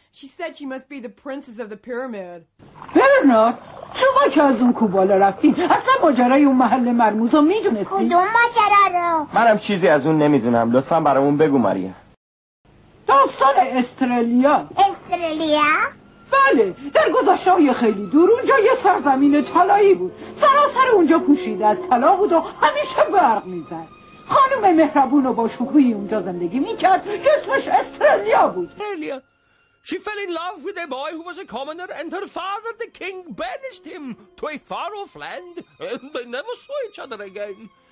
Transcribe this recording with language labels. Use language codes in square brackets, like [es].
[en] She said she must be the princess of the pyramid. Better not. [fa] شما که از اون کوبالا رفتین اصلا ماجرای اون محل مرموز رو میدونستین؟ کدوم ماجرا رو؟ منم چیزی از اون نمیدونم، لطفا برامون بگو ماریا. داستان استرالیا. استرالیا؟ بله، در گذشته های خیلی دور اونجا یه سرزمین طلایی بود. سراسر اونجا پوشیده از طلا بود و همیشه برق میزد. خانم مهربون و با شکوهی اونجا زندگی میکرد که اسمش استرالیا بود. استرالیا. [en] She fell in love with a boy who was a commoner, and her father, the king, banished him to a far-off land, and they never saw each other again.